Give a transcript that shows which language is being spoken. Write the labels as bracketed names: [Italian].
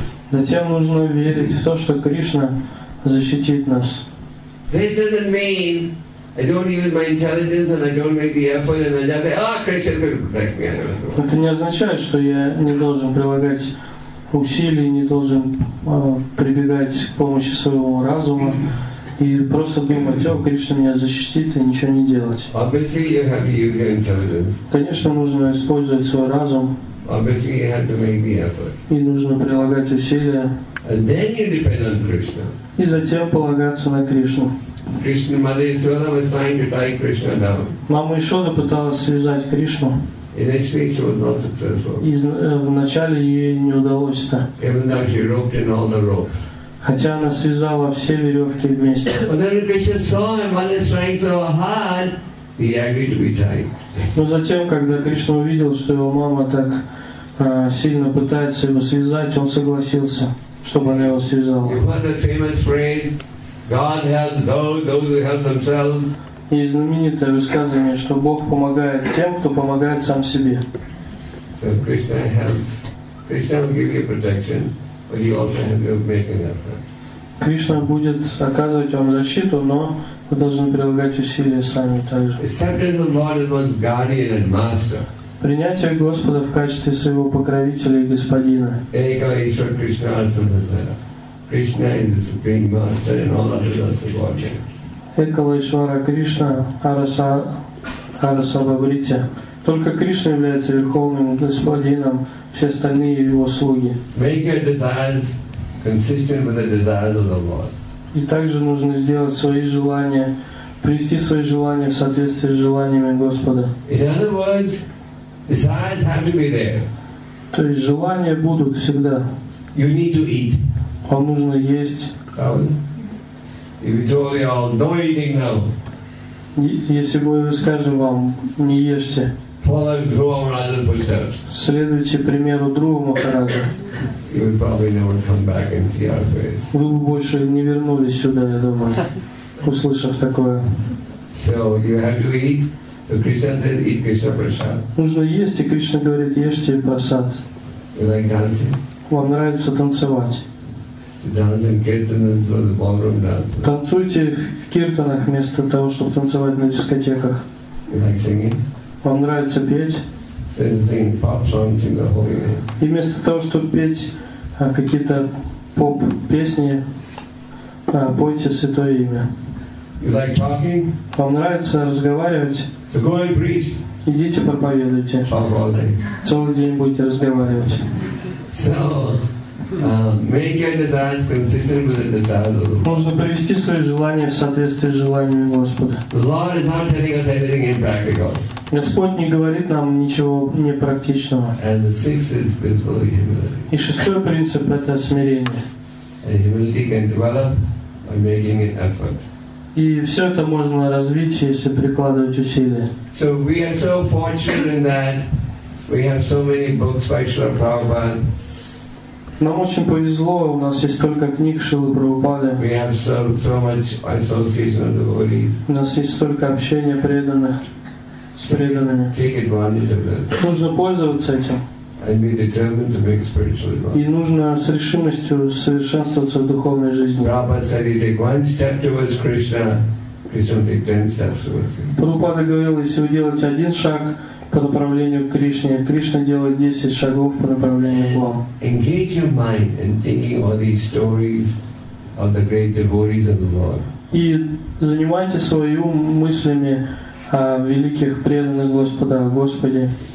[Russian] Затем нужно верить в то, что Кришна защитит нас. [English] This doesn't mean I don't use my intelligence and I don't make the effort and I just say, ah, Krishna will protect me. [Russian] Это не означает, что я не должен прилагать усилий, не должен прибегать к помощи своего разума и просто думать, о, Кришна меня защитит, и ничего не делать. [English] Obviously you have to use your intelligence. [Russian] Конечно, нужно использовать свой разум. [English] Obviously you have to make the effort. [Russian] И нужно прилагать усилия. [English] And then you depend on Krishna. [Russian] И затем полагаться на Кришну. [English] Krishna Mother Yashoda was trying to tie Krishna down. [Russian] Мама Ишода пыталась связать Кришну. [English] Initially, she was not successful. [Russian] Вначале ей не удалось это. [English] Even though she roped in all the ropes. [Russian] Хотя она связала все веревки вместе. [English] But then Krishna saw her mother trying so hard, he agreed to be tied. [Russian] Но затем, когда Кришна увидел, что его мама так сильно пытается его связать, он согласился, чтобы она его связала. [English] You heard the famous phrase, "God helps those who help themselves." [Russian] Есть знаменитое высказывание, что Бог помогает тем, кто помогает сам себе. [English] So Krishna helps. Krishna will give you protection, but you also have to make an effort. [Russian] Кришна будет оказывать вам защиту, но вы должны прилагать усилия сами также. [English] Acceptance of Lord as one's guardian and master. [Russian] Принятие Господа в качестве своего покровителя и господина. [Bangla] Eka Ishwar Krishna Arsamata. [English] Krishna is the supreme master and all others are subordinate. [Bangla] Экала Ишвара Кришна Араса Бабрити. [Russian] Только Кришна является Верховным Господином, все остальные Его слуги. [English] Make your desires consistent with the desires of the Lord. [Russian] И также нужно сделать свои желания, привести свои желания в соответствии с желаниями Господа. [English] In other words, desires have to be there. [Russian] То есть желания будут всегда. [English] You need to eat. [Russian] Вам нужно есть. [English] If we told you all, no eating now. [Russian] Если бы мы скажем вам, не ешьте. [English] Follow Guru Maharaj's footsteps. [Russian] Следуйте примеру Друга Махараджа. [English] You would probably never come back and see our face. [Russian] Вы бы больше не вернулись сюда, я думаю, услышав такое. [English] So you have to eat. So Krishna says, eat Krishna prasad. [Russian] Нужно есть, и Кришна говорит, ешьте прасад. [English] You like dancing? [Russian] Вам нравится танцевать? [English] Dance in kirtanas or the ballroom dance. [Russian] Танцуйте в киртанах вместо того, чтобы танцевать на дискотеках. [English] You like singing? [Russian] Вам нравится петь? [English] Same thing, pop songs in the holy name. [Russian] И вместо того, чтобы петь какие-то поп песни, пойте святое имя. [English] You like talking? [Russian] Вам нравится разговаривать? [English] So go and preach. [Russian] Идите проповедуйте. [English] Talk all day. [Russian] Целый день будете разговаривать. [English] So. Make your desires consistent with the desires of the Lord. [Russian] Можно привести свои желания в соответствии с желаниями Господа. [English] The Lord is not telling us anything impractical. [Russian] Господь не говорит нам ничего непрактичного. [English] And the sixth is principle of humility. [Russian] И шестой принцип — это смирение. [English] And humility can develop by making an effort. [Russian] И все это можно развить, если прикладывать усилия. [English] So we are so fortunate in that we have so many books by Srila Prabhupada. [Russian] Нам очень повезло, у нас есть столько книг Шрилы Прабхупады. [English] We have so much association with devotees. [Russian] У нас есть столько общения преданных с преданными. [English] Take advantage of that. [Russian] Нужно пользоваться этим. [English] And be determined to make spiritual advancement. [Russian] И нужно с решимостью совершенствоваться в духовной жизни. [English] Prabhupada said, you take one step towards Krishna, Krishna will take 10 steps towards you. [Russian] Прабхупада говорил, если вы делаете один шаг, по направлению к Кришне. Кришна делает 10 шагов по направлению к вам. [English] Engage your mind in thinking about these stories of the great devotees of the Lord. [Russian] И занимайте свой ум мыслями о великих преданных Господа, о Господе.